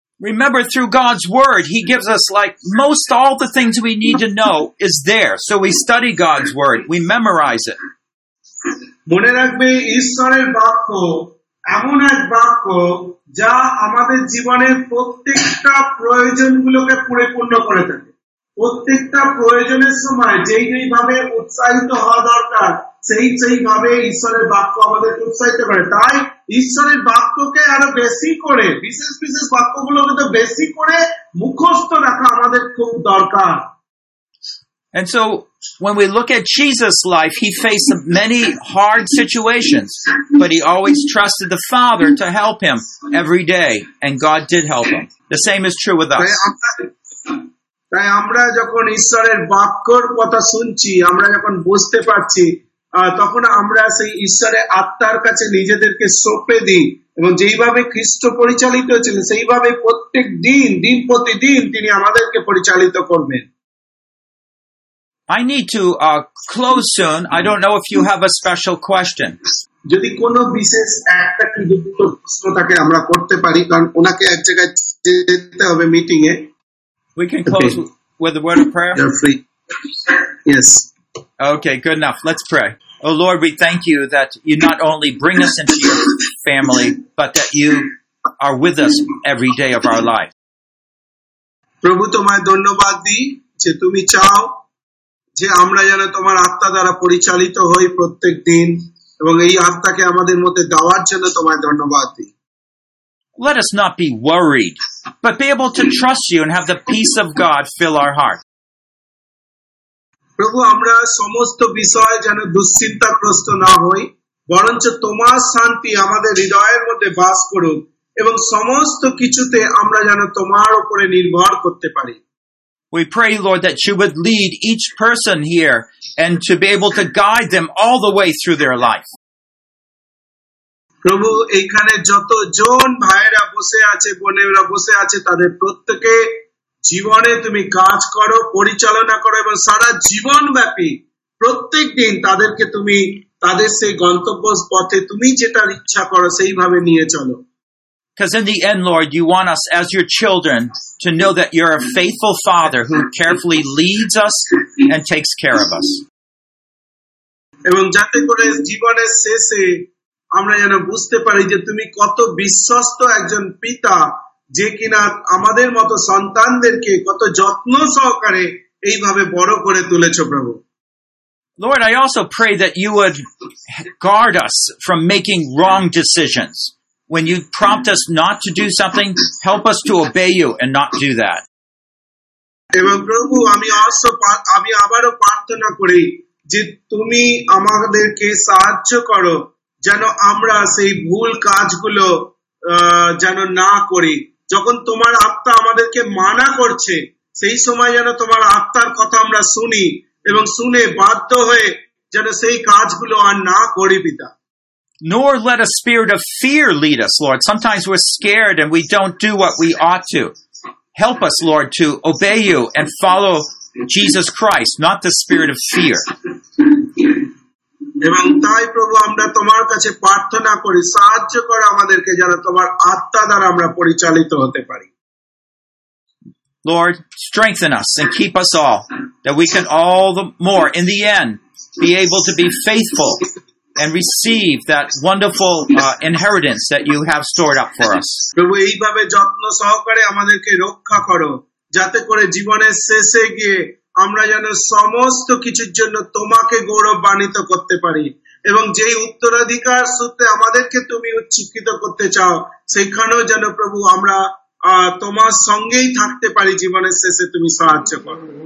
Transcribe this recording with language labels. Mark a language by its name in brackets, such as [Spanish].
[English] Remember, through God's word, he gives us like most all the things we need to know is there. So we study God's word, we memorize it. [Bangla] মনে রাখবে ঈশ্বরের বাক্য এমন এক বাক্য যা আমাদের জীবনের প্রত্যেকটা প্রয়োজনগুলোকে পরিপূর্ণ করে থাকে। প্রত্যেকটা প্রয়োজনের সময় যেই যেইভাবে উৎসাহিত হওয়া দরকার সেই সেইভাবে ঈশ্বরের বাক্য আমাদেরকে উৎসাহিত করে। তাই ঈশ্বরের বাক্যকে আরো বেশি করে, বিশেষ বিশেষ বাক্যগুলোকে তো বেশি করে মুখস্থ রাখা আমাদের খুব দরকার। [English] And so when we look at Jesus' life, he faced many hard situations, but he always trusted the Father to help him every day, and God did help him. The same is true with us. [Bangla] তাই আমরা যখন ঈশ্বরের বাক্যর কথা শুনছি, আমরা যখন বুঝতে পারছি, তখন আমরা সেই ঈশ্বরের আত্মার কাছে নিজেদেরকে সঁপে দিই এবং যেইভাবে খ্রিস্ট পরিচালিত হয়েছিল সেইভাবে প্রত্যেক দিন দিন প্রতিদিন তিনি আমাদেরকে পরিচালিত করবেন। [English] I need to close soon. I don't know if you have a special question. [Bangla] যদি কোনো বিশেষ একটা কিছু প্রশ্ন থাকে আমরা করতে পারি, কারণ ওনাকে এক জায়গায় যেতে হবে meeting A. [English] We can close with a word of prayer. You're free. Yes. Okay, good enough. Let's pray. Oh Lord, we thank you that you not only bring us into your family, but that you are with us every day of our life. [Bangla] প্রভু তোমায় ধন্যবাদ দিই যে তুমি চাও যে আমরা যেন তোমার আত্মা দ্বারা পরিচালিত হই প্রত্যেক দিন, এবং এই আত্মাকে আমাদের মধ্যে দেওয়ার জন্য তোমায় ধন্যবাদ দিই। [English] Let us not be worried, but be able to trust you and have the peace of God fill our heart. [Bangla] প্রভু আমরা সমস্ত বিষয় যেন দুশ্চিন্তাগ্রস্ত না হই, বরঞ্চ তোমার শান্তি আমাদের হৃদয়ের মধ্যে বাস করুক, এবং সমস্ত কিছুতে আমরা যেন তোমার উপরে নির্ভর করতে পারি। [English] We pray, Lord, that you would lead each person here and to be able to guide them all the way through their life. [Bangla] প্রভু এইখানে যত জন ভাইরা বসে আছে, বোনেরা বসে আছে, তাদের প্রত্যেকে জীবনে তুমি কাজ করো, পরিচালনা করো, এবং সারা জীবনব্যাপী প্রত্যেক দিন তাদেরকে তুমি তাদের সেই গন্তব্যপথে তুমি যেটা ইচ্ছা করো সেইভাবে নিয়ে চলো। [English] Because in the end, Lord, you want us as your children to know that you're a faithful Father who carefully leads us and takes care of us. [Bangla] এবং যাতে করে জীবনের শেষে আমরা যেন বুঝতে পারি যে তুমি কত বিশ্বস্ত একজন পিতা, যে কিনা আমাদের মতো সন্তানদেরকে কত যত্ন সহকারে এইভাবে বড় করে তুলেছো প্রভু। [English] Lord, I also pray that you would guard us from making wrong decisions. when you prompt us not to do something, help us to obey you and not do that. [Bangla] এবং প্রভু আমি আসো আমি আবারো প্রার্থনা করি যে তুমি আমাদেরকে সাহায্য করো যেন আমরা সেই ভুল কাজগুলো যেন না করি যখন তোমার আত্মা আমাদেরকে মানা করছে সেই সময় যেন তোমার আত্মার কথা আমরা শুনি এবং শুনে বাধ্য হয়ে যেন সেই কাজগুলো আর না করি পিতা [English] Nor let a spirit of fear lead us, Lord. Sometimes we're scared and we don't do what we ought to. Help us, Lord, to obey you and follow Jesus Christ, not the spirit of fear. [Bangla] এবং তাই প্রভু আমরা তোমার কাছে প্রার্থনা করি সাহায্য করো আমাদেরকে যেন তোমার আত্মা দ্বারা আমরা পরিচালিত হতে পারি. [English] Lord, strengthen us and keep us all, that we can all the more in the end be able to be faithful and receive that wonderful inheritance that you have stored up for us. [Bangla] প্রভু এইভাবে যত্ন সহকারে আমাদেরকে রক্ষা করো যাতে করে জীবনের শেষে গিয়ে আমরা যেন সমস্ত কিছুর জন্য তোমাকে গৌরবান্বিত করতে পারি এবং যেই উত্তরাধিকার সূত্রে আমাদেরকে তুমি উচ্চিক্ষিত করতে চাও সেখানেও যেন প্রভু আমরা তোমার সঙ্গেই থাকতে পারি জীবনের শেষে তুমি সাহায্য করো